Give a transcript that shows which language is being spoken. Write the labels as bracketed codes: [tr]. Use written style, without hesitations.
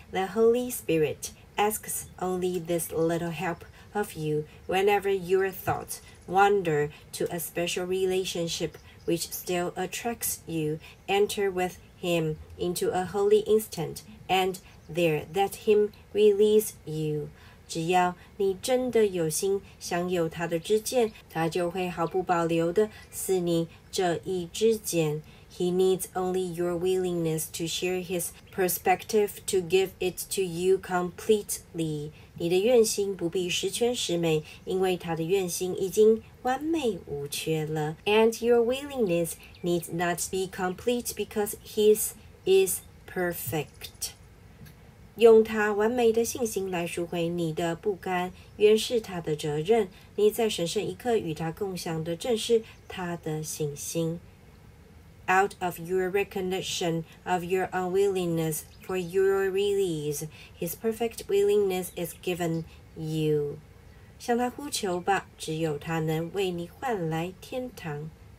[en] The Holy Spirit asks only this little help of you whenever your thoughts wander to a special relationship which still attracts you. Enter with him into a holy instant and there let him release you. [zh] 只要你真的有心享有他的之见，他就会毫不保留地赐你这一之见。 [en] He needs only your willingness to share his perspective to give it to you completely. [zh] 你的愿心不必十全十美，因为他的愿心已经完美无缺了。 [en] And your willingness needs not be complete because his is perfect. [zh] 用他完美的信心来赎回你的不甘，原是他的责任。你在神圣一刻与他共享的正是他的信心。 [en] Out of your recognition of your unwillingness for your release, his perfect willingness is given you. [zh] 向他呼求吧，只有他能为你换来天堂。